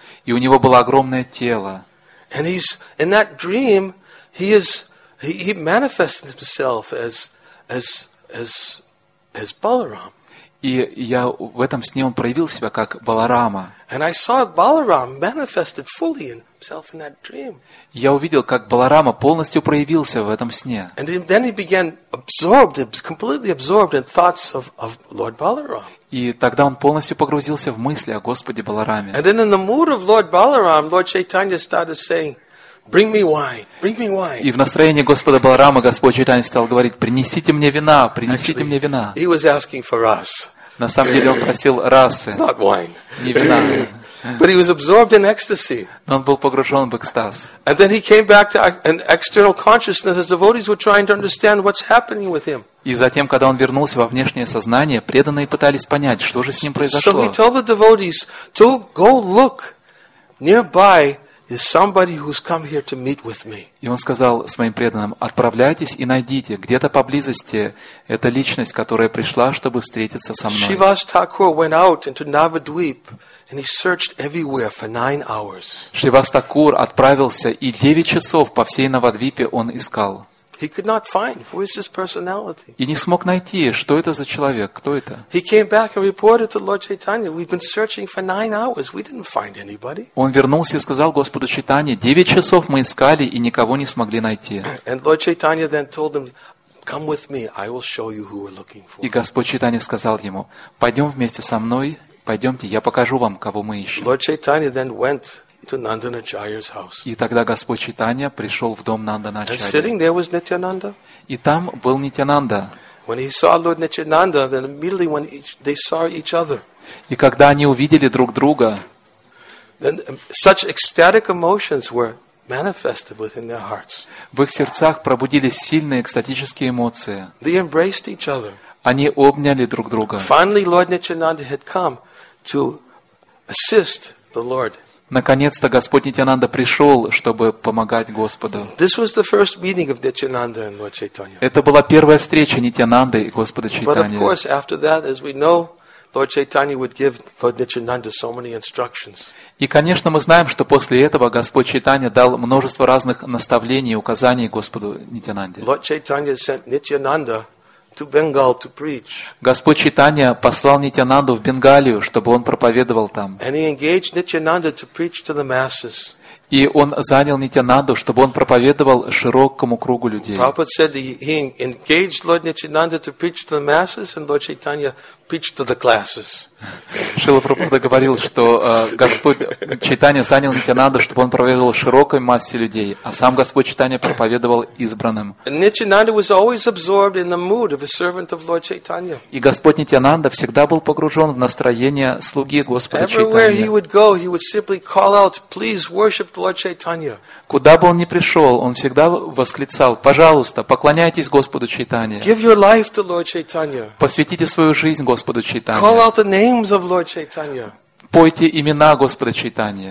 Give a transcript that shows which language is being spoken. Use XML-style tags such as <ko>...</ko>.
<ru>И у него было огромное тело. И я в этом сне он проявил себя как Баларама. Я увидел, как Баларама полностью проявился в этом сне.</ru> <en>And then he began absorbed, completely absorbed in thoughts of Lord Balaram.</en> <ru>И тогда он полностью погрузился в мысли о Господе Балараме.</ru> <en>And then in the mood of Lord Balaram, Lord Chaitanya started saying, "Bring me wine, bring me wine."</en> <ru>И в настроении Господа Баларамы Господь Чайтанья стал говорить: "Принесите мне вина, принесите мне вина."</ru> <en>He was asking for us.</en> <ru>На самом деле он просил расы,</ru> <en>not wine.</en> <ru>Не вина.</ru> <en>But he was absorbed in ecstasy.</en> <ru>Но он был погружен в экстаз.</ru> <en>And then he came back to an external consciousness as devotees were trying to understand what's happening with him.</en> <ru>И затем, когда он вернулся во внешнее сознание, преданные пытались понять, что же с ним произошло.</ru> <en>So he told the devotees to go look nearby. Is somebody who's come here to meet with me?</en> <ru>И он сказал своим преданным: отправляйтесь и найдите где-то поблизости эта личность, которая пришла, чтобы встретиться со мной.</ru> <en>Shrivas Thakur went out into Navadweep and he searched everywhere for 9 hours.</en> <ru>Shrivas Thakur отправился и 9 часов по всей Навадвипе он искал.</ru> <en>He could not find who is this personality.</en> <ru>И не смог найти, что это за человек, кто это.</ru> <en>He came back and reported to Lord Chaitanya, "We've been searching for 9 hours. We didn't find anybody."</en> <ru>Он вернулся и сказал Господу Чайтанье: 9 часов мы искали и никого не смогли найти.</ru> <en>And Lord Chaitanya then told him, "Come with me. I will show you who we're looking for."</en> <ru>И Господь Чайтанья сказал ему: пойдем вместе со мной, пойдемте, я покажу вам, кого мы ищем.</ru> <en>Lord Chaitanya then went to Nandanacharya's house.</en> <ru>И тогда Господь Чайтанья пришел в дом Нанданачарьи.</ru> <en>And sitting there was Nityananda.</en> <ru>И там был Нитянанда.</ru> <en>When he saw Lord Nityananda, then immediately when they saw each other.</en> <ru>И когда они увидели друг друга,</ru> <en>then such ecstatic emotions were manifested within their hearts.</en> <ru>В их сердцах пробудились сильные экстатические эмоции.</ru> <en>They embraced each other.</en> <ru>Они обняли друг друга.</ru> <en>Finally, Lord Nityananda had come to assist the Lord.</en> <ru>Наконец-то Господь Нитянанда пришел, чтобы помогать Господу.</ru> <en>This was the first meeting of Nityananda and Lord Chaitanya.</en> <ru>Это была первая встреча Нитянанды и Господа Чайтаньи.</ru> <en>But of course, after that, as we know, Lord Chaitanya would give Lord Nityananda so many instructions.</en> <ru>И, конечно, мы знаем, что после этого Господь Чайтанья дал множество разных наставлений и указаний Господу Нитянанде.</ru> <en>Lord Chaitanya sent Nityananda to Bengal to preach.</en> <ru>Господь Чайтанья послал Нитянанду в Бенгалию, чтобы он проповедовал там.</ru> <en>And he engaged Nityananda to preach to the masses.</en> <ru>И он занял Нитянанду, чтобы он проповедовал широкому кругу людей.</ru> <en>Prabhupada said he engaged Lord Nityananda to preach to the masses and Lord Chaitanya preached to the classes.</en> <ru>Шрила Прабхупада говорил, что Господь Чайтанья занял Нитянанду, чтобы он проповедовал широкой массе людей, а сам Господь Чайтанья проповедовал избранным.</ru> <en>And Nityananda was always absorbed in the mood of a servant of Lord Chaitanya.</en> <ru>И Господь Нитянанда всегда был погружен в настроение слуги Господа Чайтанья.</ru> <en>Everywhere he would go, he would simply call out, "Please worship Lord Chaitanya."</en> <ru>Куда бы он ни пришел, он всегда восклицал: "Пожалуйста, поклоняйтесь Господу Чайтанье."</ru> <en>Give your life to Lord Chaitanya.</en> <ru>Посвятите свою жизнь Господу Чайтанье.</ru> <en>Call out the names of Lord Chaitanya.</en> <ru>Пойте имена Господа Чайтанье.</ru>